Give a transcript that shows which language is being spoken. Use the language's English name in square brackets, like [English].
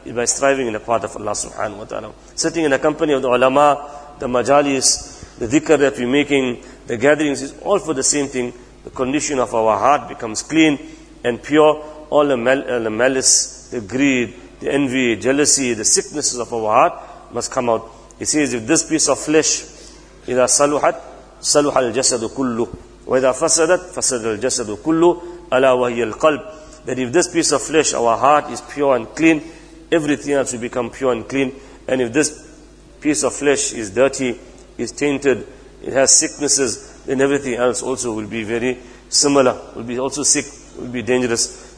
[English] Is by striving in the path of Allah subhanahu wa ta'ala. Sitting in the company of the ulama, the majalis, the dhikr that we're making, the gatherings, is all for the same thing. The condition of our heart becomes clean and pure. All the malice, the greed, the envy, jealousy, the sicknesses of our heart must come out. He says, if this piece of flesh, [Arabic] إذا صلحت صلح الجسد كله وإذا فسدت فسد الجسد كله ألا وهي القلب. [English] That if this piece of flesh, our heart, is pure and clean, everything else will become pure and clean. And if this piece of flesh is dirty, is tainted, it has sicknesses, then everything else also will be very similar, will be also sick, will be dangerous.